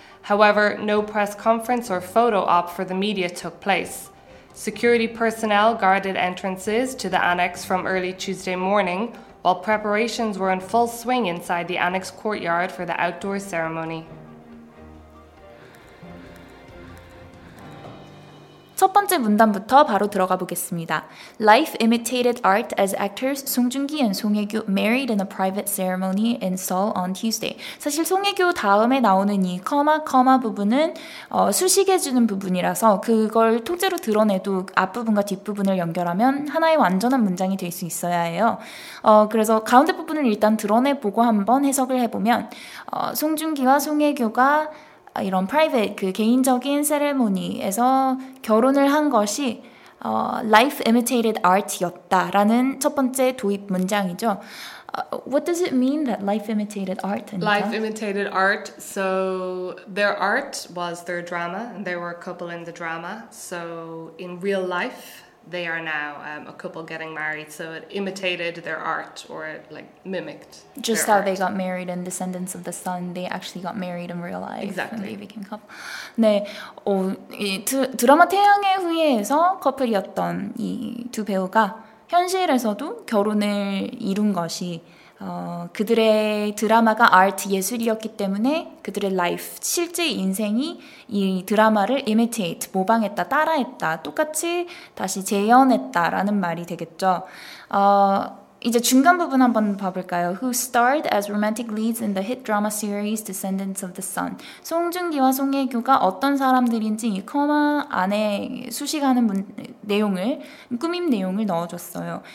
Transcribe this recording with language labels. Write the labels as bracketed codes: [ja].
[en] However, no press conference or photo op for the media took place. Security personnel guarded entrances to the annex from early Tuesday morning, while preparations were in full swing inside the annex courtyard for the outdoor ceremony. [ko] 첫 번째 문단부터 바로 들어가 보겠습니다. [en] Life imitated art as actors Song Joong-ki and Song Hye-kyo married in a private ceremony in Seoul on Tuesday. [ko] 사실 송 혜교 다음에 나오는 이 커마 커마 부분은 수식해주는 부분이라서 그걸 통째로 드러내도 앞부분과 뒷부분을 연결하면 하나의 완전한 문장이 될 수 있어야 해요. 그래서 가운데 부분을 일단 드러내보고 한번 해석을 해보면 송 Joong-ki와 송 혜교가 이런 private, 그 개인적인 세레모니에서 결혼을 한 것이 [en] life imitated art [ko] 였다라는 첫 번째 도입 문장이죠. [en] What does it mean that life imitated art? Anita? Life imitated art. So their art was their drama and they were a couple in the drama. So in real life, they are now a couple getting married. So it imitated their art or it, like, mimicked just how art. They got married in Descendants of the Sun. They actually got married in real life. Exactly. And they became a couple. [ko] 네, 드라마 태양의 후예에서 커플이었던 이 두 배우가 현실에서도 결혼을 이룬 것이 그들의 드라마가 아트 예술이었기 때문에 그들의 life, 실제 인생이 이 드라마를 imitate, 모방했다, 따라했다, 똑같이 다시 재현했다라는 말이 되겠죠. 이제 중간 부분 한번 봐볼까요? [en] Who starred as romantic leads in the hit drama series Descendants of the Sun. [ko] 송중기와 송혜교가 어떤 사람들인지 이 커마 안에 수식하는 내용을, 꾸밈 내용을 넣어줬어요.